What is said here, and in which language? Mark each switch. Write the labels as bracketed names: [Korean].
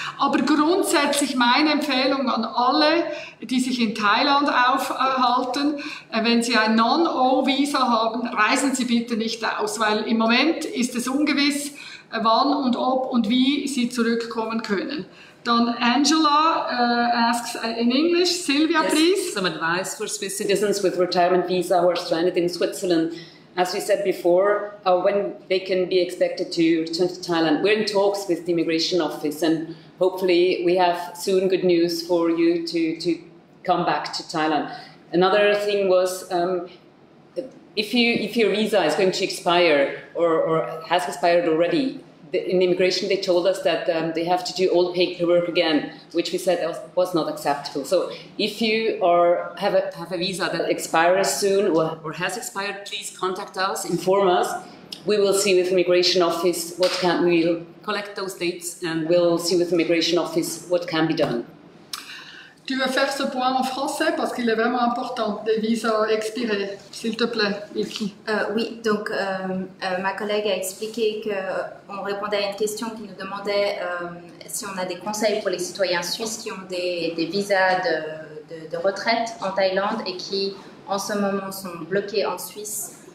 [German] Aber grundsätzlich meine Empfehlung an alle, die sich in Thailand aufhalten, wenn Sie ein Non-O-Visa haben, reisen Sie bitte nicht aus, weil im Moment ist es ungewiss, wann und ob und wie Sie zurückkommen können. [English] Dann Angela asks in English, Sylvia, yes, please. Some advice for Swiss citizens with retirement visa who are stranded in Switzerland. As we said before, when they can be expected to return to Thailand. We're in talks with the immigration office and hopefully we have soon good news for you to come back to Thailand. Another thing was, If your visa is going to expire or has expired already, in immigration they told us that they have to do all the paperwork again, which we said was not acceptable. So if you have a visa that expires soon or has expired, please contact us, inform us. We will see with immigration office what can we collect those dates, and we'll see with immigration office what can be done. [French] Tu veux faire ce point en français parce qu'il est vraiment important, des visas expirés, s'il te plaît, Vicky. Oui, donc ma collègue a expliqué qu'on répondait à une question qui nous demandait si on a des conseils pour les citoyens suisses qui ont des visas de retraite en Thaïlande et qui en ce moment sont bloqués en Suisse.